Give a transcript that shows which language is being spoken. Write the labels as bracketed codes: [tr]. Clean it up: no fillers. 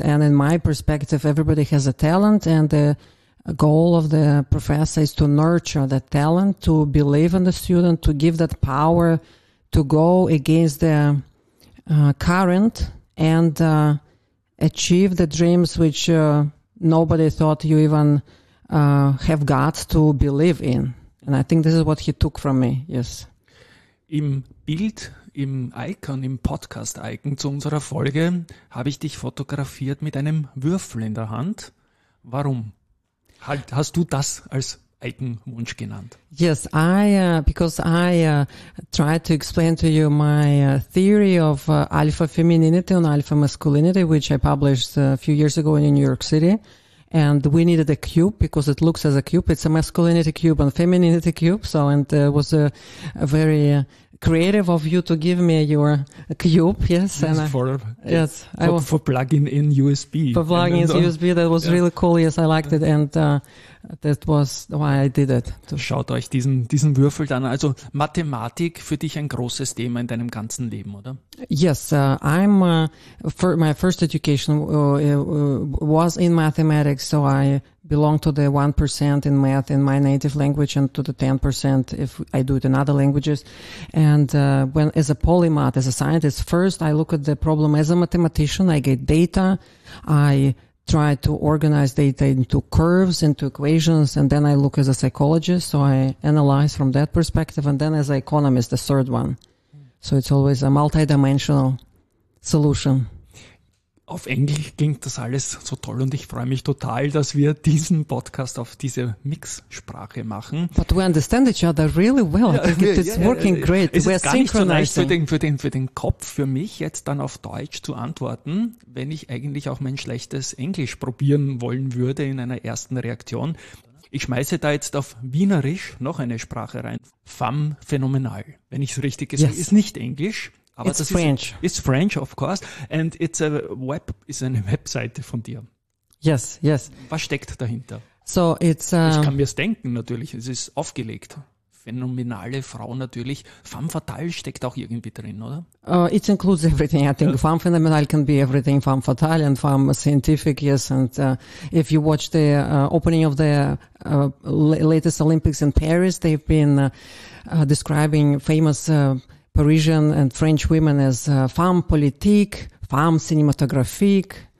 [en] And in my perspective, everybody has a talent, and the a goal of the professor is to nurture the talent, to believe in the student, to give that power to go against the current and achieve the dreams which nobody thought you even have got to believe in. And I think this is what he took from me, yes. [de] Im Bild, im Icon, im Podcast-Icon zu unserer Folge, habe ich dich fotografiert mit einem Würfel in der Hand. Warum? Hast du das als Eigenwunsch genannt? [en] Yes, I because I tried to explain to you my theory of alpha femininity and alpha masculinity, which I published a few years ago in New York City. And we needed a cube because it looks as a cube. It's a masculinity cube and femininity cube. So, and it was a very creative of you to give me your cube. Yes. And For plug-in in USB. For plug-in in USB. That was really cool. Yes, I liked it. And that was why I did it. [de] Schaut euch diesen Würfel dann. Also Mathematik für dich ein großes Thema in deinem ganzen Leben, oder? [en] Yes. My first education was in mathematics. So I belong to the 1% in math in my native language and to the 10% if I do it in other languages. And when as a polymath, as a scientist, first I look at the problem as a mathematician. I get data. I try to organize data into curves, into equations, and then I look as a psychologist, so I analyze from that perspective, and then as an economist, the third one. So it's always a multidimensional solution. [de] Auf Englisch klingt das alles so toll und ich freue mich total, dass wir diesen Podcast auf diese Mix-Sprache machen. [en] But we understand each other really well. It's working great. [de] Es ist gar nicht so leicht für den Kopf, für mich jetzt dann auf Deutsch zu antworten, wenn ich eigentlich auch mein schlechtes Englisch probieren wollen würde in einer ersten Reaktion. Ich schmeiße da jetzt auf Wienerisch noch eine Sprache rein. Femme phänomenal, wenn ich es richtig gesagt habe. Ist nicht Englisch. Aber [en] it's French. It's French, of course. And it's a web, ist eine Webseite von dir. Yes, yes. [de] Was steckt dahinter? [en] So it's, [de] ich kann mir es denken, natürlich. Es ist aufgelegt. Phänomenale Frau natürlich. Femme fatale steckt auch irgendwie drin, oder? [en] It includes everything. I think femme phänomenal can be everything. Femme fatale and femme scientific, yes. And if you watch the opening of the latest Olympics in Paris, they've been describing famous Parisian and French women as femme politique, femme cinématographique,